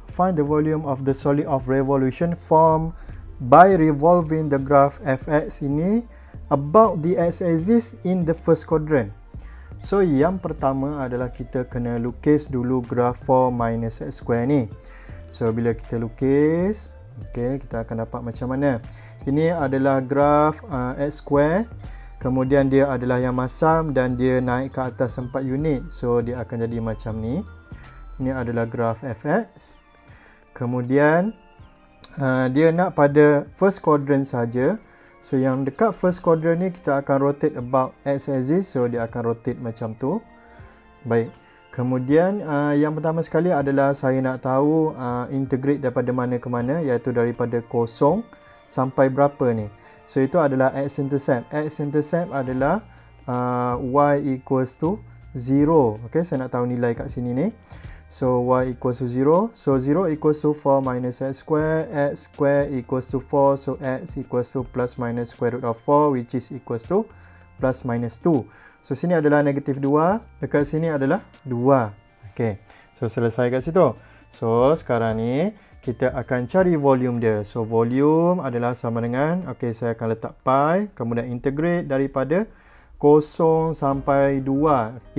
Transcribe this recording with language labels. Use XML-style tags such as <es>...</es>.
<en>Find the volume of the solid of revolution formed by revolving the graph fx ini about the x axis in the first quadrant.</en> <ms>So, yang pertama adalah kita kena lukis dulu graf 4 minus x square ni. So, bila kita lukis, okay, kita akan dapat macam mana. Ini adalah graf x square. Kemudian, dia adalah yang masam dan dia naik ke atas 4 unit. So, dia akan jadi macam ni. Ini adalah graf fx. Kemudian, dia nak pada first quadrant saja. So yang dekat first quadrant ni kita akan rotate about x axis. So dia akan rotate macam tu. Baik. Kemudian yang pertama sekali adalah saya nak tahu integrate daripada mana ke mana, iaitu daripada kosong sampai berapa ni.</ms> <en>So itu adalah x intercept. X intercept adalah y equals to 0.</en> <ms>Okay, saya nak tahu nilai kat sini ni.</ms> <en>So y equals to 0. So 0 equals to 4 minus x square. X square equals to 4. So x equals to plus minus square root of 4, which is equals to plus minus 2.</en> <ms>So sini adalah negative 2. Dekat sini adalah 2. Okay. So selesai kat situ. So sekarang ni kita akan cari volume dia. So volume adalah sama dengan, okay, saya akan letak pi. Kemudian integrate daripada 0 sampai 2.</ms>